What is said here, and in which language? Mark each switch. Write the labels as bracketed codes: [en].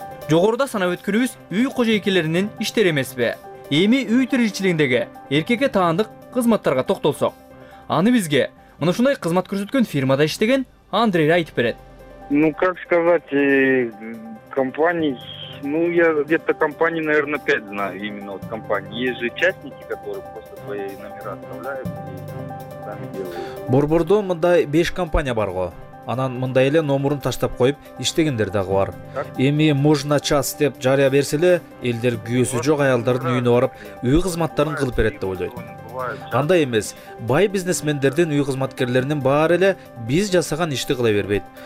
[ky] Жогоруда санап өткөнүбүз үй кожоэкелеринин иштери эмеспи? Эми үй тиричилигиндеги эркекке таандык кызматтарга токтолсок, аны бизге мына ушундай кызмат көрсөткөн фирмада иштеген Андрей айтып берет. [ru] Ну как сказать, компаний, ну я где-то компаний, наверное, 5 знаю именно вот компаний. Есть же частники, которые просто свои номера оставляют и сами делают. [ky] Борбордо мындай 5 компания бар го. Анан мындай эле номерун таштап коюп иштегендер дагы бар. Эми можно час деп жарыя берсе эле элдер күйөсү жок аялдардын үйүнө барып үй кызматтарын кылып берет деп ойлойт. Андай эмес, бай бизнесмендердин үй кызматкерлеринин баары эле биз жасаган ишти кыла бербейт.